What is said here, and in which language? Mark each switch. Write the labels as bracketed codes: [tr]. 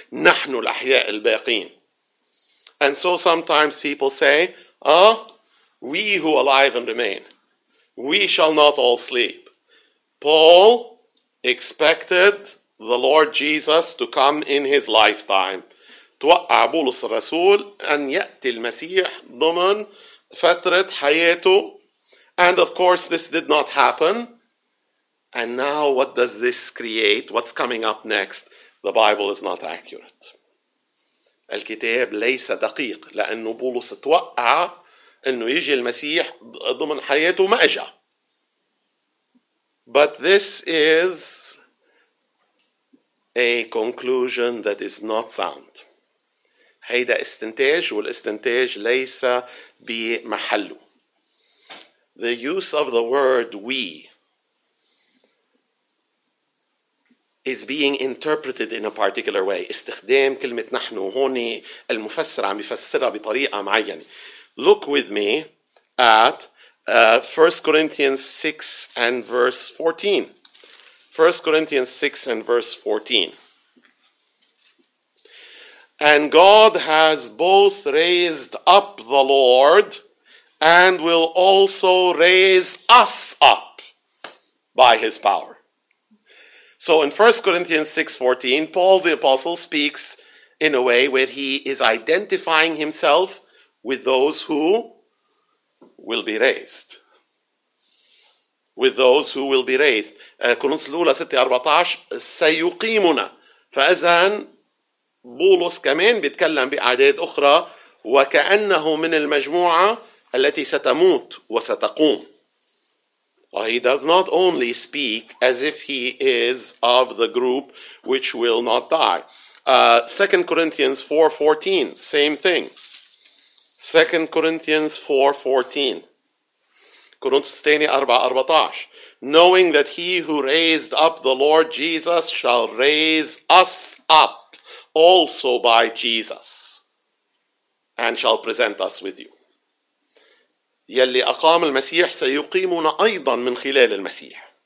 [ar] نحن الأحياء الباقين. [en] And so sometimes people say, we who alive and remain, we shall not all sleep. Paul expected the Lord Jesus to come in his lifetime. [ar] توقع بولس الرسول أن يأتي المسيح ضمن فترة حياته. [en] And of course, this did not happen. And now what does this create? What's coming up next? The Bible is not accurate. [ar] الكتاب ليس دقيق لأنه بولس توقع أنه يجي المسيح ضمن حياته ما أجا. [en] But this is a conclusion that is not sound. [ar] هيدا استنتاج والاستنتاج ليس بمحله. [en] The use of the word we is being interpreted in a particular way. [ar] استخدام كلمة نحن هوني المفسر عم يفسرها بطريقة معينة. [en] Look with me at 1 Corinthians 6 and verse 14. 1 Corinthians 6 and verse 14. And God has both raised up the Lord and will also raise us up by his power. So in 1 Corinthians 6:14, Paul the Apostle speaks in a way where he is identifying himself with those who will be raised. With those who will be raised. [ar] كورنثوس الأولى 6:14 سيقيمنا. فإذن بولس كمان بيتكلم بأعداد أخرى وكأنه من المجموعة التي ستموت وستقوم. [en] Well, he does not only speak as if he is of the group which will not die. 2 Corinthians 4:14, same thing. 2 Corinthians 4:14. [ar] كورنثوس الثاني 4:14. [en] Knowing that he who raised up the Lord Jesus shall raise us up also by Jesus, and shall present us with you. [ar] يلي أقام المسيح سيقيمنا أيضا من خلال المسيح.